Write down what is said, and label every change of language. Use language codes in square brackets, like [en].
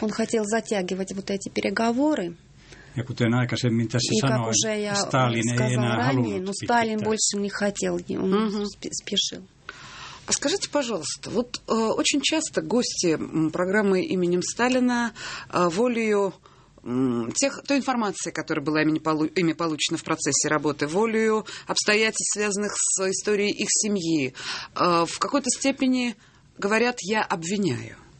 [ru] Он хотел затягивать вот эти переговоры. [fi] Ja kuten aikaisemmin tässä sanoin, Сталин ei enää halunnut [ru] Сталин больше не хотел, он спешил. А скажите, пожалуйста, вот очень часто гости программы именем Сталина волею той информации, которая была ими получена в процессе работы, волею обстоятельств, связанных с историей их семьи, в какой-то степени говорят «я обвиняю».